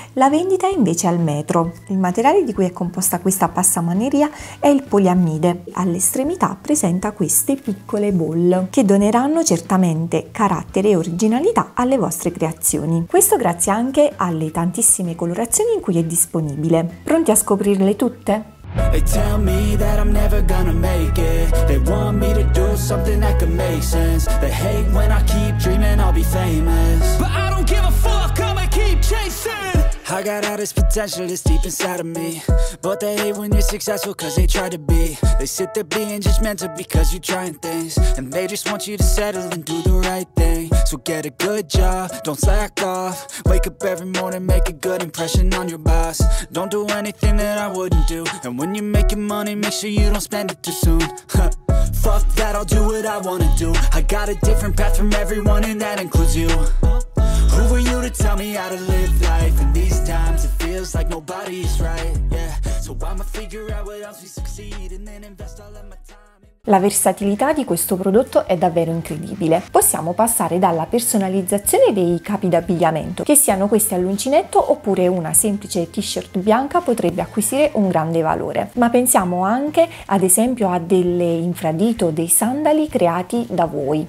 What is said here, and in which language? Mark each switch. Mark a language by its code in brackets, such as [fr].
[it] La vendita è invece al metro. Il materiale di cui è composta questa passamaneria è il poliamide. All'estremità presenta queste piccole ball che doneranno certamente carattere e originalità alle vostre creazioni. Questo grazie anche alle tantissime colorazioni in cui è disponibile. Pronti a scoprirle tutte? [en] They tell me that I'm never gonna make it. They want me to do something that could make sense. They hate when I keep dreaming I'll be famous. But I don't give a fuck, I'ma keep chasing. I got all this potential that's deep inside of me. But they hate when you're successful cause they try to be. They sit there being judgmental because you're trying things. And they just want you to settle and do the right thing. So get a good job, don't slack off. Wake up every morning, make a good impression on your boss. Don't do anything that I wouldn't do. And when you're making money, make sure you don't spend it too soon. Fuck that, I'll do what I wanna do. I got a different path from everyone and that includes you. Who are you to tell me how to live life? In these times it feels like nobody is right, yeah. So I'ma figure out what else we succeed and then invest all of my time. [it] La versatilità di questo prodotto è davvero incredibile. Possiamo passare dalla personalizzazione dei capi d'abbigliamento, che siano questi all'uncinetto oppure una semplice t-shirt bianca potrebbe acquisire un grande valore. Ma pensiamo anche ad esempio a delle infradito, dei sandali creati da voi.